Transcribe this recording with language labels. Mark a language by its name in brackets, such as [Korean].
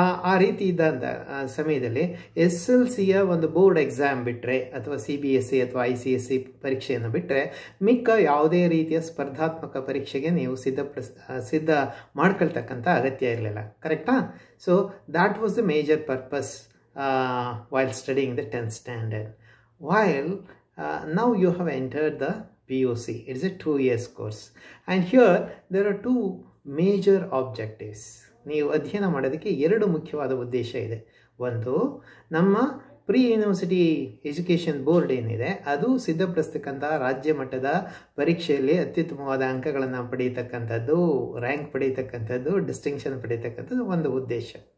[Kannada] ಆ ರೀತಿ ಇದ್ದಂಥ ಸಮಯದಲ್ಲಿ ಎಸ್ ಎಲ್ ಸಿಯ ಒಂದು ಬೋರ್ಡ್ ಎಕ್ಸಾಮ್ ಬಿಟ್ಟರೆ ಅಥವಾ ಸಿ ಬಿ ಎಸ್ ಸಿ ಅಥವಾ ಐ ಸಿ ಎಸ್ ಸಿ ಪರೀಕ್ಷೆಯನ್ನು ಬಿಟ್ಟರೆ ಮಿಕ್ಕ ಯಾವುದೇ ರೀತಿಯ ಸ್ಪರ್ಧಾತ್ಮಕ ಪರೀಕ್ಷೆಗೆ ನೀವು ಸಿದ್ಧ ಮಾಡ್ಕೊಳ್ತಕ್ಕಂಥ ಅಗತ್ಯ ಇರಲಿಲ್ಲ, ಕರೆಕ್ಟಾ? [English] So that was the major purpose while studying the 10th standard. While now you have entered the POC, it is a 2 years course, and here there are two major objectives. [Kannada] ನೀವು ಅಧ್ಯಯನ ಮಾಡೋದಕ್ಕೆ ಎರಡು ಮುಖ್ಯವಾದ ಉದ್ದೇಶ ಇದೆ. ಒಂದು, ನಮ್ಮ ಪ್ರೀ ಯೂನಿವರ್ಸಿಟಿ ಎಜುಕೇಷನ್ ಬೋರ್ಡ್ ಏನಿದೆ ಅದು ಸಿದ್ಧಪಡಿಸ್ತಕ್ಕಂಥ ರಾಜ್ಯ ಮಟ್ಟದ ಪರೀಕ್ಷೆಯಲ್ಲಿ ಅತ್ಯುತ್ತಮವಾದ ಅಂಕಗಳನ್ನು ಪಡೆಯತಕ್ಕಂಥದ್ದು, ರ್ಯಾಂಕ್ ಪಡೆಯತಕ್ಕಂಥದ್ದು, ಡಿಸ್ಟಿಂಕ್ಷನ್ ಪಡೆಯತಕ್ಕಂಥದ್ದು ಒಂದು ಉದ್ದೇಶ.